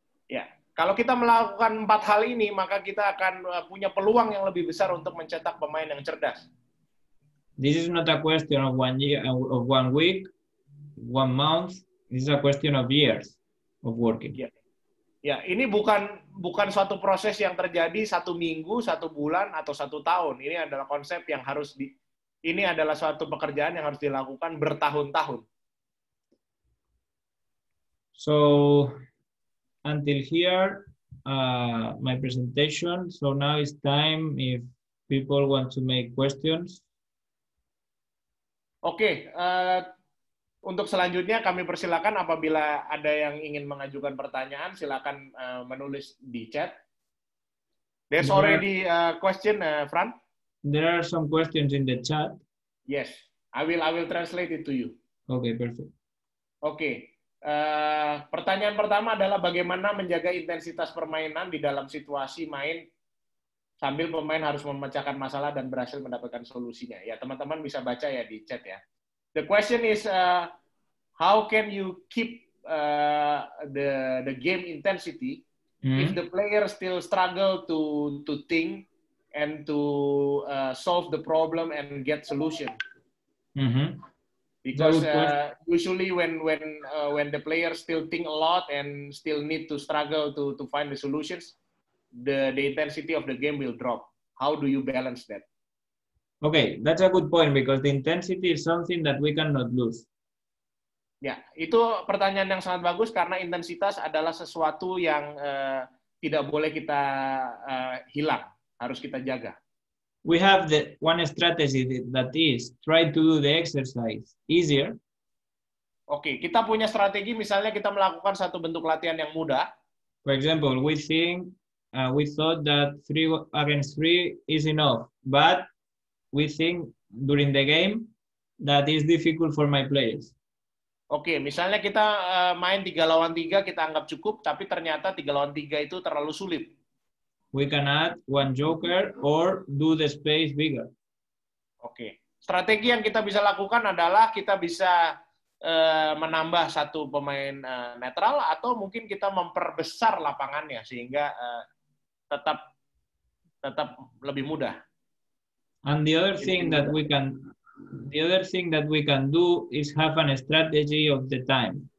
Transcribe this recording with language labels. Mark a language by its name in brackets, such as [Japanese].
[Indonesian] Ya, kalau kita melakukan empat hal ini, maka kita akan punya peluang yang lebih besar untuk mencetak pemain yang cerdas. [English] This is not a question of one year, of one week, one month. This is a question of years of working. [Indonesian] Ya, ya, ini bukan suatu proses yang terjadi satu minggu, satu bulan, atau satu tahun. Ini adalah konsep yang harus di Ini adalah suatu pekerjaan yang harus dilakukan bertahun-tahun. [English] So, until here, my presentation. So now it's time if people want to make questions. Okay. [Indonesian] Untuk selanjutnya kami persilakan apabila ada yang ingin mengajukan pertanyaan, silakan menulis di chat. [English] There's already a question, Fran. There are some questions in the chat. Yes, I will translate it to you. Okay, perfect. Okay. [Indonesian] Pertanyaan pertama adalah bagaimana menjaga intensitas permainan di dalam situasi main sambil pemain harus memecahkan masalah dan berhasil mendapatkan solusinya. Ya, teman-teman bisa baca ya di chat ya. [English] The question is how can you keep the game intensity if the player still struggle to think and to solve the problem and get solution. Mm-hmm. Because usually when the players still think a lot and still need to struggle to find the solutions, the intensity of the game will drop. How do you balance that? Okay, that's a good point because the intensity is something that we cannot lose. [Indonesian] Yeah, itu pertanyaan yang sangat bagus karena intensitas adalah sesuatu yang tidak boleh kita hilang. Harus kita jaga. [English] We have the one strategy that is try to do the exercise easier. [Indonesian] Okay, kita punya strategi misalnya kita melakukan satu bentuk latihan yang mudah. [English] For example, we thought that 3-3 is enough, but we think during the game that is difficult for my players. [Indonesian] Okay, misalnya kita main 3-3 kita anggap cukup, tapi ternyata 3-3 itu terlalu sulit. [English] We can add one joker or do the space bigger. Okay. [Indonesian] Strategi yang kita bisa lakukan adalah kita bisa menambah satu pemain netral atau mungkin kita memperbesar lapangannya sehingga tetap lebih mudah. [English] And the other thing that we can do is have a strategy of the time.